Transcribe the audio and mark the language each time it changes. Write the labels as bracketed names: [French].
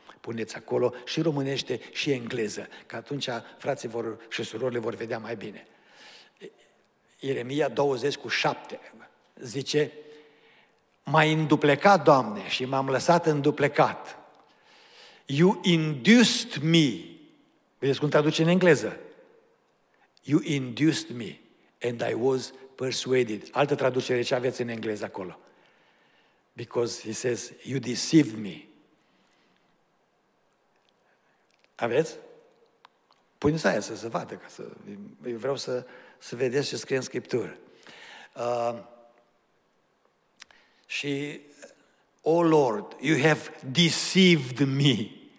[Romanian] Puneți acolo și românește și engleză, că atunci frații vor, și surorile vor vedea mai bine. Ieremia 20:7 zice, m-ai înduplecat, Doamne, și m-am lăsat înduplecat. [English] You induced me. [Romanian] Vedeți cum traduce în engleză? [English] You induced me and I was persuaded. [Romanian] Altă traducere, ce aveți în engleză acolo? [English] Because he says, you deceived me. [Romanian] Aveți? Puneți aia să se vadă, că să, eu vreau să vedeți ce scrie în Scriptură. [English] Și, oh Lord, you have deceived me.